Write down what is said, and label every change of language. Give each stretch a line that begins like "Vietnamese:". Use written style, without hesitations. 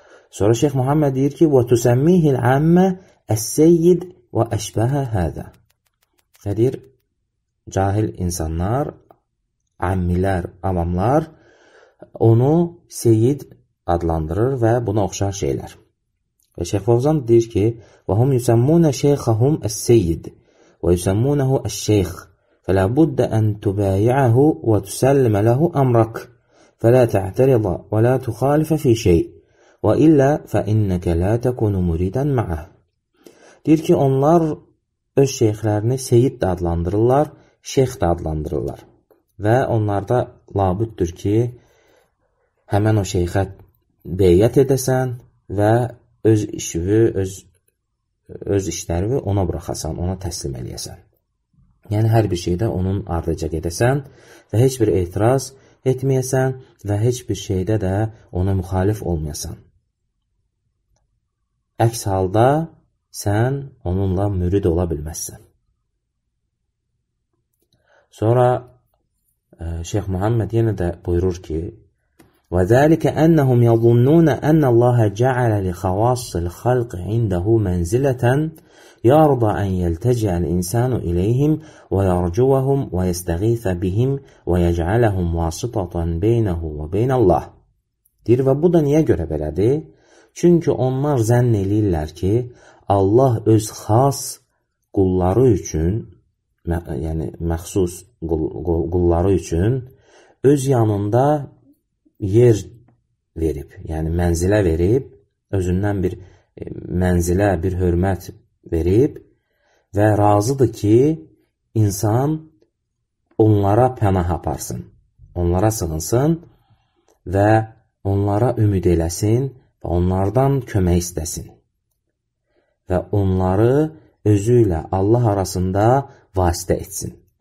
Azerbaijani: Sonra Şeyx Muhammed deyir ki,
Arabic: وَتُسَمِّهِ الْعَمَّ السَّيِّدْ وَأَشْبَهَ هَذَا
Azerbaijani: Nədir? Cahil insanlar, əmmilər, avamlar onu seyid adlandırır və buna oxşar şeylər. Və Şeyx Fovzan deyir ki,
Arabic: وَهُمْ يُسَمُّونَ شَيْخَهُمْ السَّيِّدِ وَيُسَمُّونَهُ الشَّيْخِ فَلَا بُدَّ أَن تُبَايِعَهُ وَتُسَلِّمَ لَهُ أَمْرَكَ فَلَا تَعْتَرِضَ وَلَا تُخَالِفَ فِي شَيْءٍ وَإِلَّا فَإِنَّكَ لَا تَكُنُ مُرِيدًا مَعَهُ
Azerbaijani: Deyir ki, onlar öz şeyxlərini seyid də adlandırırlar, şeyx də adlandırırlar. Və onlarda labuddur ki, həmən o şeyxə beyyət edəsən və öz işlərini ona buraxasan, ona təslim eləyəsən. Yəni, hər bir şeydə onun ardıca gedəsən və heç bir etiraz etməyəsən və heç bir şeydə də ona müxalif olmayasan. Əks halda sən onunla mürid ola bilməzsən. Sonra Şeyx Muhammed yenə də buyurur ki,
Arabic: وَذَٰلِكَ أَنَّهُمْ يَظُنُّونَ أَنَّ اللَّهَ جَعَلَ لِخَوَاصِّ الْخَلْقِ عِنْدَهُ مَنْزِلَةً يَرْضَ أَنْ يَلْتَجِعَ الْإِنسَانُ إِلَيْهِمْ وَيَرْجُوَهُمْ وَيَسْتَغِيثَ بِهِمْ وَيَجْعَلَهُمْ وَاسِطَةً بَيْنَهُ وَبَيْنَ اللَّهِ
Azerbaijani: Deyir və bu da niyə görə belədir? Çünki onlar zənn eləyirlər ki, Allah öz xas qulları üçün, yəni məxsus qulları üçün öz yanında yer verib, yəni mənzilə verib, özündən bir mənzilə, bir hörmət verib və razıdır ki, insan onlara pənah aparsın, onlara sığınsın və onlara ümid eləsin və onlardan kömək istəsin və onları özü ilə Allah arasında vasitə etsin.